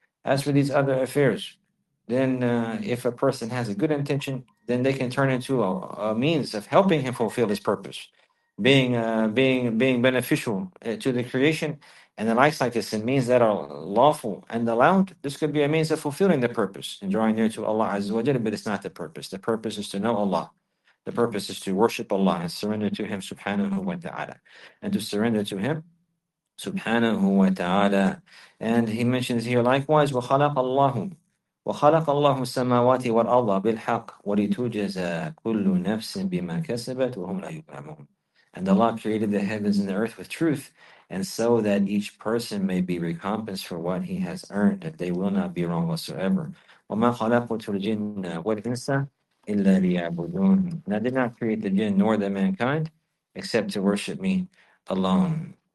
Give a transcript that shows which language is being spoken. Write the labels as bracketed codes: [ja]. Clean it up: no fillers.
[en] As for these other affairs, then if a person has a good intention, then they can turn into a means of helping him fulfill his purpose, being beneficial to the creation. And the likes like this, and means that are lawful and allowed, this could be a means of fulfilling the purpose and drawing near to Allah Azza wa Jalla, but it's not the purpose. The purpose is to know Allah. The purpose is to worship Allah and surrender to Him subhanahu wa ta'ala. And to surrender to Him subhanahu wa ta'ala. And he mentions here likewise, [ar] وَخَلَقَ اللَّهُ السَّمَاوَاتِ وَالْأَرْضَ بِالْحَقِّ وَلِتُجَزَى كُلُّ نَفْسٍ بِمَا كَسَبَتْ وَهُمْ لَا يُظْلَمُونَ. [en] And Allah created the heavens and the earth with truth, and so that each person may be recompensed for what he has earned, that they will not be wrong whatsoever. [ar] وَمَا خَلَقْتُ الْجِنَّ وَالْإِنسَ إِلَّا لِيَعْبُدُونَ. [en] And I did not create the jinn nor the mankind except to worship me alone.